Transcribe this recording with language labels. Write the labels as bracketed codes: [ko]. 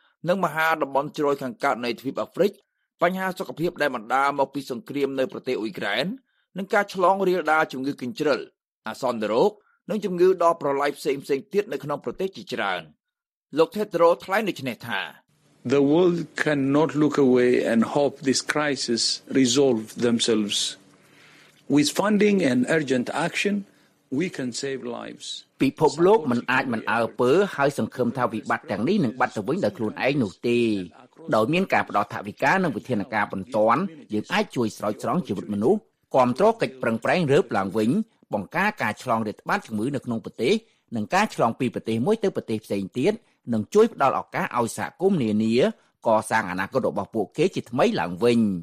[km] និងមហាតំបន់ជ្រោយខាងកើតនៃទ្វីបអាហ្វ្រិកបញ្ហាសុខភាពដែលបណ្ដាលមកពីសង្គ្រាមនៅប្រទេសអ៊ុយក្រែននិងការឆ្លងរាលដាលជំងឺកញ្ជ្រឹលអាសន្នរោគនិងជំងឺដល់ប្រឡាយផ្សេងៗទៀតនៅក្នុងប្រទេសជាច្រើនលោក Tedros ថ្លែងដូចនេះថា [en] The world cannot look away and hope this crisis resolve themselves. With funding and urgent action, we can save lives. [km] ពិភពលោកមិនអាចមិនអើពើហើយសង្ឃឹមថាវិបត្តិទាំងនេះនឹងបាត់ទៅវិញដោយខ្លួនឯងនោះទេ។ដោយមានការផ្តល់ថវិកានិងវិធានការបន្ទាន់យើងអាចជួយស្រោចស្រង់ជីវិតមនុស្សគ្រប់គ្រងកិច្ចប្រឹងប្រែងរើបឡើងវិញបង្ការការឆ្លងរាតត្បាតជំងឺនៅក្នុងប្រទេសនិងការឆ្លងពីប្រទេសមួយទៅប្រទេសផ្សេងទៀតនឹងជួយផ្តល់ឱកាសឲ្យសហគមន៍នានាកសាងអនាគតរបស់ពួកគេជាថ្មីឡើងវិញ